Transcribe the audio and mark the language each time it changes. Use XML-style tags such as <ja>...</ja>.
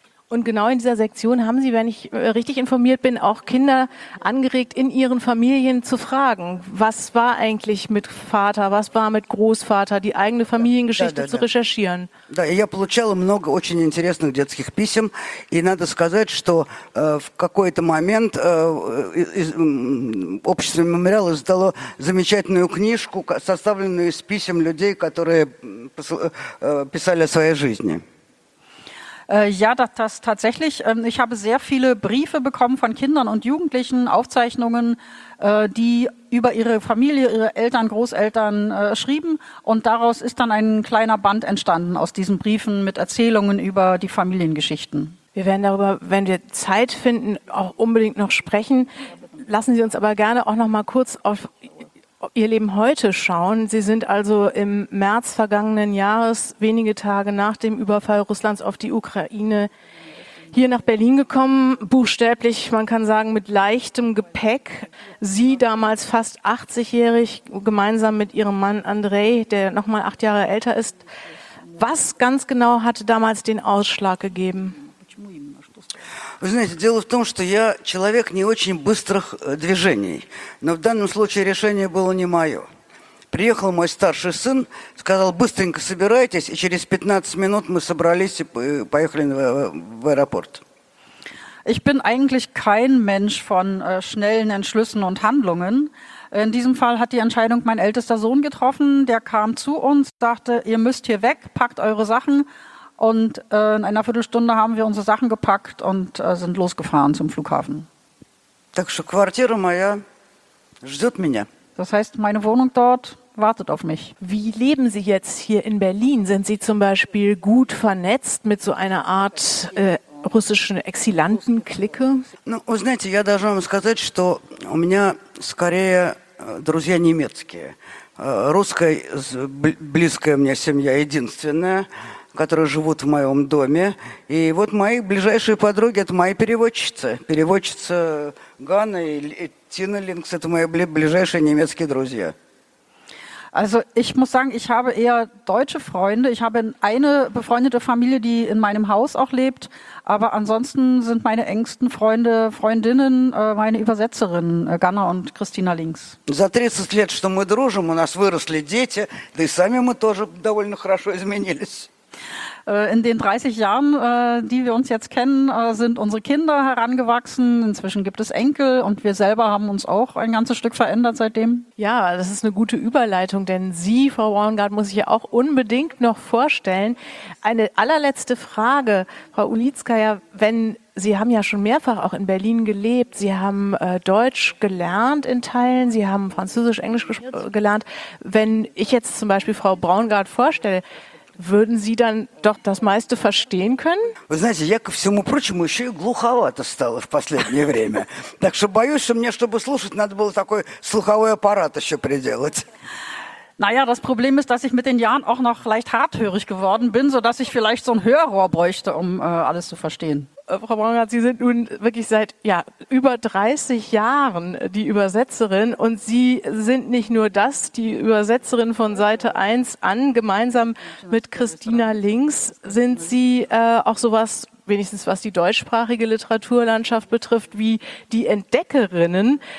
<de>Und genau in dieser Sektion haben Sie, wenn ich richtig informiert bin, auch Kinder angeregt, in ihren Familien zu fragen, was war eigentlich mit Vater, was war mit Großvater, die eigene Familiengeschichte zu recherchieren.</de> <ru>Да, я получала много очень интересных детских писем, и надо сказать, что в какой-то момент общество мемориала издало замечательную книжку, составленную из писем людей, которые писали о своей жизни.</ru> <de>Ja, das tatsächlich. Ich habe sehr viele Briefe bekommen von Kindern und Jugendlichen, Aufzeichnungen, die über ihre Familie, ihre Eltern, Großeltern schrieben. Und daraus ist dann ein kleiner Band entstanden aus diesen Briefen mit Erzählungen über die Familiengeschichten. Wir werden darüber, wenn wir Zeit finden, auch unbedingt noch sprechen. Lassen Sie uns aber gerne auch noch mal kurz auf Ihr Leben heute schauen. Sie sind also im März vergangenen Jahres, wenige Tage nach dem Überfall Russlands auf die Ukraine, hier nach Berlin gekommen, buchstäblich, man kann sagen, mit leichtem Gepäck. Sie damals fast 80-jährig, gemeinsam mit Ihrem Mann Andrei, der noch mal 8 Jahre älter ist. Was ganz genau hatte damals den Ausschlag gegeben?</de> <ru>Вы знаете, дело в том, что я человек не очень быстрых движений, но в данном случае решение было не мое. Приехал мой старший сын, сказал, быстренько собирайтесь, и через 15 минут мы собрались и поехали в аэропорт.</ru> <de>Ich bin eigentlich kein Mensch von schnellen Entschlüssen und Handlungen. In diesem Fall hat die Entscheidung mein ältester Sohn getroffen, der kam zu uns, sagte, ihr müsst hier weg, packt eure Sachen. Und in einer Viertelstunde haben wir unsere Sachen gepackt und sind losgefahren zum Flughafen.</de> <ru>Так что квартира моя ждёт меня.</ru> <de>Das heißt, meine Wohnung dort wartet auf mich. Wie leben Sie jetzt hier in Berlin? Sind Sie zum Beispiel gut vernetzt mit so einer Art russischen Exilanten-Clique?</de> <ru>Ну, вы знаете, я должен вам сказать, что у меня скорее друзья немецкие. Русская близкая мне семья единственная, которые живут в моем доме. И вот мои ближайшие подруги – это мои переводчицы. Переводчица Ганна и Тина Линкс – это мои ближайшие немецкие друзья.</ru> <de>Also, ich muss sagen, ich habe eher deutsche Freunde. Ich habe eine befreundete Familie, die in meinem Haus auch lebt. Aber ansonsten sind meine engsten Freunde, Freundinnen, meine Übersetzerin, Ганна und Christina Линкс.</de> <ru>За 30 лет, что мы дружим, у нас выросли дети, да и сами мы тоже довольно хорошо изменились.</ru> <de>In den 30 Jahren, die wir uns jetzt kennen, sind unsere Kinder herangewachsen. Inzwischen gibt es Enkel und wir selber haben uns auch ein ganzes Stück verändert seitdem. Ja, das ist eine gute Überleitung, denn Sie, Frau Wormgard, muss ich ja auch unbedingt noch vorstellen. Eine allerletzte Frage, Frau Ulitskaya, wenn Sie haben ja schon mehrfach auch in Berlin gelebt, Sie haben Deutsch gelernt in Teilen, Sie haben Französisch, Englisch gelernt. Wenn ich jetzt zum Beispiel Frau Wormgard vorstelle, würden Sie dann doch das meiste verstehen können?</de> <ru>Вы знаете, я ко всему прочему еще и глуховато стало в последнее время. Так что боюсь, что мне, чтобы слушать, надо было такой слуховой аппарат еще приделать.</ru> <de>Naja, das Problem ist, dass ich mit den Jahren auch noch leicht harthörig geworden bin, sodass ich vielleicht so ein Hörrohr bräuchte, um alles zu verstehen. Frau Wormgard, Sie sind nun wirklich seit ja, über 30 Jahren die Übersetzerin und Sie sind nicht nur das, die Übersetzerin von Seite 1 an, gemeinsam mit Christina Links sind Sie auch sowas, wenigstens was die deutschsprachige Literaturlandschaft betrifft, wie die Entdeckerinnen.</de>